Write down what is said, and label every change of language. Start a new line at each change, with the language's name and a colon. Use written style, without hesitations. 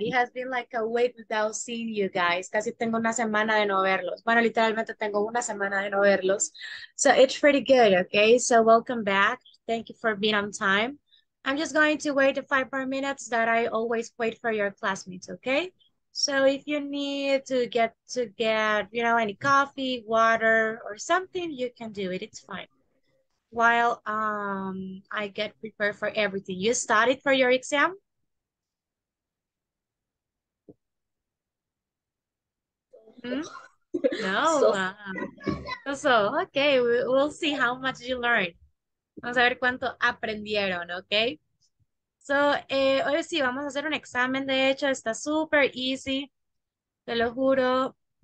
English: It has been like a week without seeing you guys.
Spanish: Casi tengo una semana de no verlos. Bueno, literalmente tengo una semana de no verlos.
English: So it's pretty good, okay? So welcome back. Thank you for being on time. I'm just going to wait the 5 more minutes that I always wait for your classmates, okay? So if you need to get, any coffee, water, or something, you can do it. It's fine. While I get prepared for everything. You studied for your exam? So No. So, okay, we'll see how much you learn.
Spanish: Vamos a ver cuánto aprendieron, okay? So, hoy sí, vamos a hacer un examen. De hecho, está súper
English: easy,
Spanish: te lo juro.